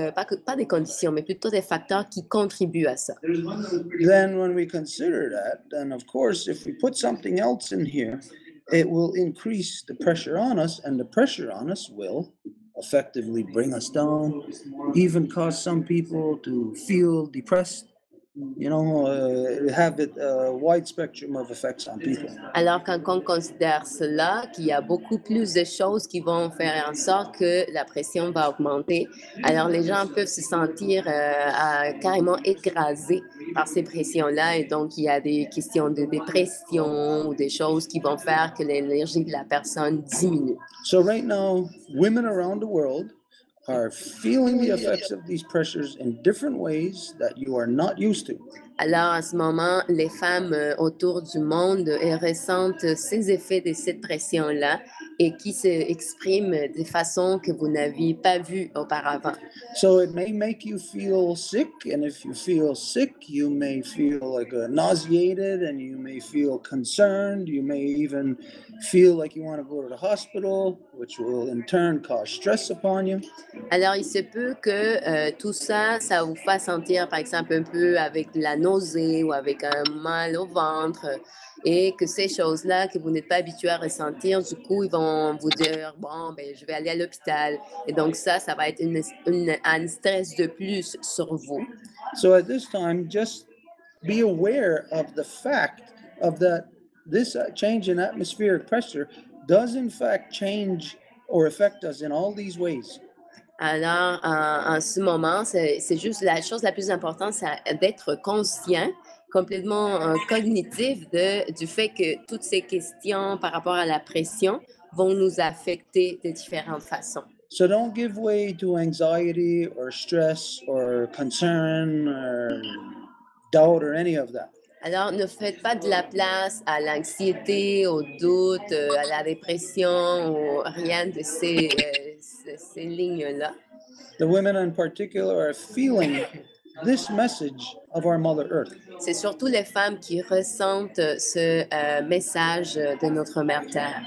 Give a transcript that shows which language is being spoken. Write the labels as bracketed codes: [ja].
[fr] Pas des conditions, mais plutôt des facteurs qui contribuent à ça. [en] Then when we consider that, then of course, if we put something else in here, it will increase the pressure on us, and the pressure on us will effectively bring us down, even cause some people to feel depressed. You know, have it a wide spectrum of effects on people. [fr] Alors quand on considère cela, qu'il y a beaucoup plus de choses qui vont faire en sorte que la pression va augmenter, alors les gens peuvent se sentir carrément écrasés par ces pressions-là, et donc il y a des questions de dépression ou des choses qui vont faire que l'énergie de la personne diminue. [en] So right now, women around the world are feeling the effects of these pressures in different ways that you are not used to. [fr] Alors, à ce moment, les femmes autour du monde ressentent ces effets de cette pression-là et qui s'expriment de façon que vous n'aviez pas vu auparavant. [en] So it may make you feel sick, and if you feel sick, you may feel like nauseated, and you may feel concerned, you may even feel like you want to go to the hospital, which will in turn cause stress upon you. [fr] Alors il se peut que tout ça, ça vous fasse sentir par exemple un peu avec la nausée ou avec un mal au ventre, et que ces choses-là que vous n'êtes pas habitué à ressentir, du coup, ils vont vous dire, bon, ben, je vais aller à l'hôpital. Et donc ça, ça va être un stress de plus sur vous. [en] So at this time, just be aware of the fact of that this change in atmospheric pressure does in fact change or affect us in all these ways. [fr] Alors, en ce moment, c'est juste la chose la plus importante, c'est d'être conscient, complètement cognitif du fait que toutes ces questions par rapport à la pression vont nous affecter de différentes façons. [en] So don't give way to anxiety or stress or concern or doubt or any of that. [fr] Alors ne faites pas de la place à l'anxiété, au doute, à la dépression ou rien de ces lignes-là. [en] The women in particular are feeling this message of our Mother Earth. [fr] C'est surtout les femmes qui ressentent ce message de notre Mère Terre.